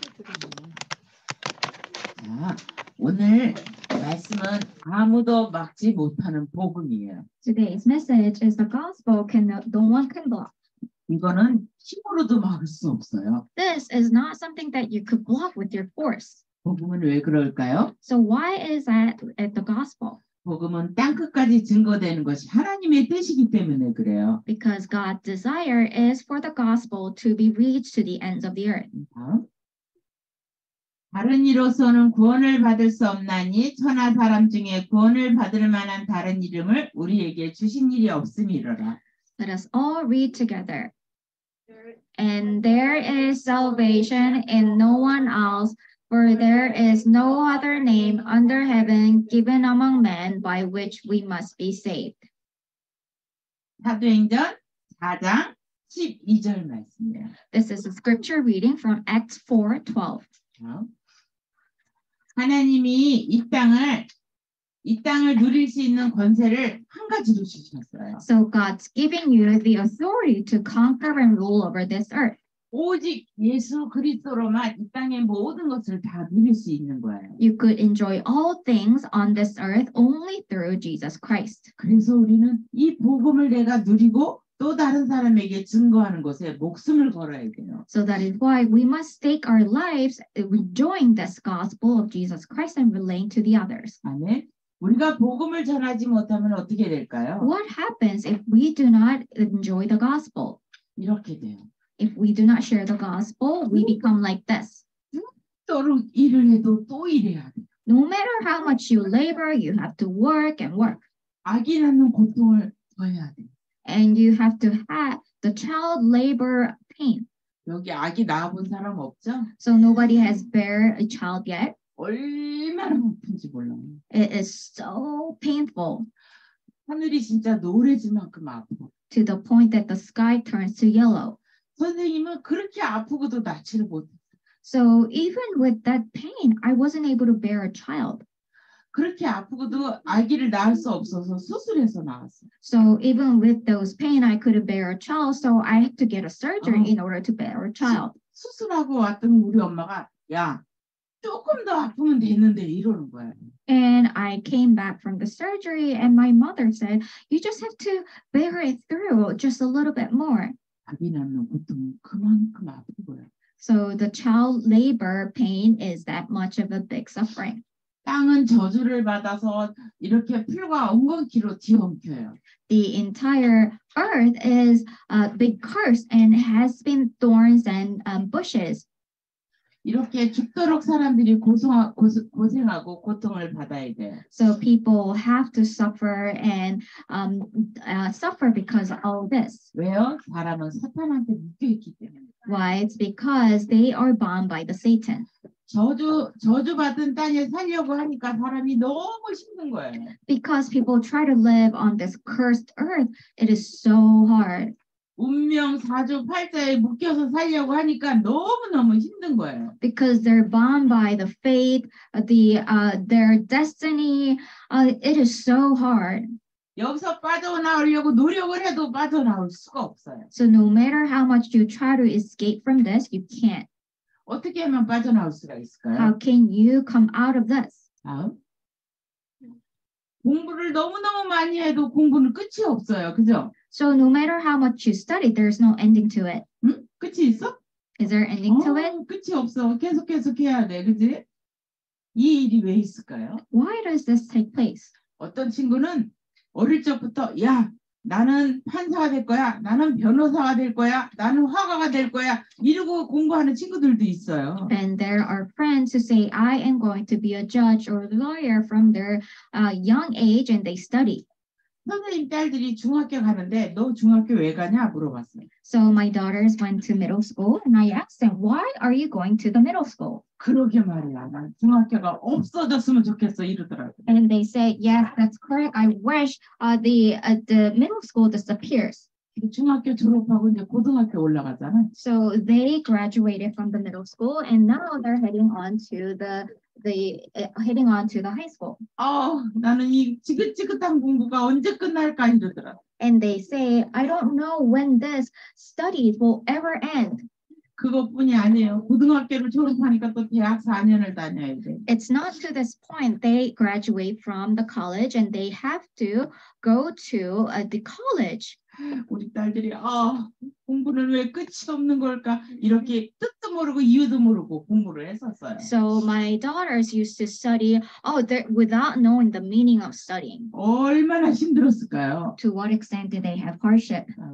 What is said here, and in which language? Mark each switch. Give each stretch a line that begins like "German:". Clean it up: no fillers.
Korean: 자, 오늘 말씀은 아무도 막지 못하는 복음이에요.
English: Today's message is the gospel cannot, no one can block.
Korean: 이거는 힘으로도 막을 수 없어요.
English: This is not something that you could block with your force.
Korean: 복음은 왜 그럴까요?
English: So why is that at the gospel?
Korean: 복음은 땅끝까지 증거되는 것이 하나님의 뜻이기 때문에 그래요.
English: Because God's desire is for the gospel to be reached to the ends of the earth.
Korean: 다른 이로서는 구원을 받을 수 없나니 천하 사람 중에 구원을 받을 만한 다른 이름을 우리에게 주신 일이 없음이로라.
English: Let us all read together. And there is salvation in no one else. For there is no other name under heaven given among men by which we must be saved.
Korean: 사도행전 4장 12절 말씀이에요.
English: This is a scripture reading from Acts 4:12.
Korean: 하나님이 이 땅을 누릴 수 있는 권세를 한 가지로 주셨어요.
English: So God's giving you the authority to conquer and rule over this earth.
Korean: 오직 예수 그리스도로만 이 땅의 모든 것을 다 누릴 수 있는 거예요.
English: You could enjoy all things on this earth only through Jesus Christ.
Korean: 그래서 우리는 이 복음을 내가 누리고 또 다른 사람에게 증거하는 것에 목숨을 걸어야 돼요.
English: So that is why we must stake our lives enjoying this gospel of Jesus Christ and relaying to the others.
Korean: 아멘. 우리가 복음을 전하지 못하면 어떻게 될까요?
English: What happens if we do not enjoy the gospel?
Korean: 이렇게 돼요.
English: If we do not share the gospel, we become like this.
Korean: 일을 해도 또 일해야 돼.
English: No matter how much you labor, you have to work and work.
Korean: 아기 낳는 고통을 더해야 돼.
English: And you have to have the child labor pain.
Korean: 여기 아기 낳아본 사람 없죠?
English: So nobody has bear a child yet.
Korean: 얼마나 아픈지 몰라.
English: It is so painful.
Korean: 하늘이 진짜 노래지만큼 아파.
English: To the point that the sky turns to yellow.
Korean: 선생님은 그렇게 아프고도 낳지를 못했어.
English: So even with that pain, I wasn't able to bear a child.
Korean: 그렇게 아프고도 아기를 낳을 수 없어서 수술해서 낳았어.
English: So even with those pain, I couldn't bear a child, so I had to get a surgery in order to bear a child.
Korean: 수술하고 왔던 우리 엄마가 야, 조금 더 아프면 되는데 이러는 거야.
English: And I came back from the surgery, and my mother said, "You just have to bear it through just a little bit more."
Korean: 아기 낳는 고통은 그만큼 아픈 거야.
English: So the child labor pain is that much of a big suffering.
Korean: 땅은 저주를 받아서 이렇게 풀과 엉겅퀴로 뒤엉켜요.
English: The entire earth is a big curse and has been thorns and bushes.
Korean: 이렇게 죽도록 사람들이 고생하고 고통을 받아야 돼.
English: So people have to suffer and suffer because of all this.
Korean: 왜요? 사람은 사탄한테 묶여있기 때문에.
English: Why? It's because they are bound by the Satan.
Korean: 저주 받은 땅에 살려고 하니까 사람이 너무 힘든 거예요.
English: Because people try to live on this cursed earth, it is so hard.
Korean: 운명 사주 팔자에 묶여서 살려고 하니까 너무 힘든 거예요.
English: Because they're bound by the fate, their destiny, it is so hard.
Korean: 여기서 빠져나오려고 노력을 해도 빠져나올 수가 없어요.
English: So no matter how much you try to escape from this, you can't.
Korean: 어떻게 하면 빠져나올 수가 있을까요?
English: How can you come out of this?
Korean: 공부를 너무 많이 해도 공부는 끝이 없어요. 그죠?
English: So no matter how much you study, there's no ending to it.
Korean: 끝이 있어?
English: Is there ending to it?
Korean: 끝이 없어. 계속 해야 돼. 그지? 이 일이 왜 있을까요?
English: Why does this take place?
Korean: 어떤 친구는 어릴 적부터 야, 나는 판사가 될 거야. 나는 변호사가 될 거야. 나는 화가가 될 거야. 이러고 공부하는 친구들도 있어요.
English: And there are friends who say, I am going to be a judge or lawyer from their young age and they study.
Korean: 선생님 딸들이 중학교 가는데 너 중학교 왜 가냐 물어봤어요.
English: So my daughters went to middle school and I asked them, why are you going to the middle school?
Korean: 그러게 말이야. 난 중학교가 없어졌으면 좋겠어 이러더라고.
English: And they said, yes, that's correct. I wish the middle school disappears.
Korean: 중학교 졸업하고 이제 고등학교 올라가잖아.
English: So they graduated from the middle school and now they're heading on to the high school.
Korean: 나는 이 지긋지긋한 공부가 언제 끝날까 이러더라.
English: And they say, I don't know when this study will ever end.
Korean: 그것뿐이 아니에요. 고등학교를 졸업하니까 또 대학 4년을 다녀야 돼.
English: It's not to this point. They graduate from the college and they have to go to the college.
Korean: 우리 딸들이 공부는 왜 끝이 없는 걸까 이렇게 뜻도 모르고 이유도 모르고 공부를 했었어요.
English: So my daughters used to study without knowing the meaning of studying.
Korean: 얼마나 힘들었을까요?
English: To what extent did they have hardship?